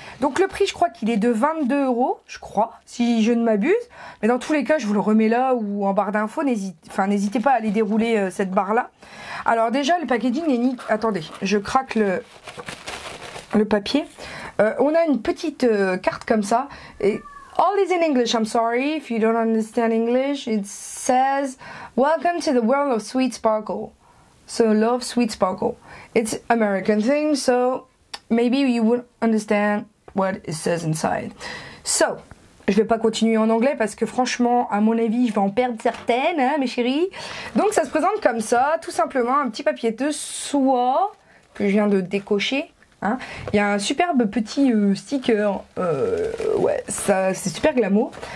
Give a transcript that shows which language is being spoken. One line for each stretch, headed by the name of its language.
French: Donc, le prix, je crois qu'il est de 22 euros, je crois, si je ne m'abuse. Mais dans tous les cas, je vous le remets là ou en barre d'infos. N'hésitez pas à aller dérouler cette barre-là. Alors déjà, le packaging est nickel. Attendez, je craque le papier. On a une petite carte comme ça.
English: Et all is in English, I'm sorry if you don't understand English. It says, welcome to the world of sweet sparkle. So love sweet sparkle. It's American thing, so maybe you will understand what it says inside.
French: So, je vais pas continuer en anglais parce que franchement, à mon avis, je vais en perdre certaines, hein, mes chéris. Donc ça se présente comme ça, tout simplement un petit papier de soie que je viens de décocher. Hein, il y a un superbe petit sticker, ouais, ça c'est super glamour.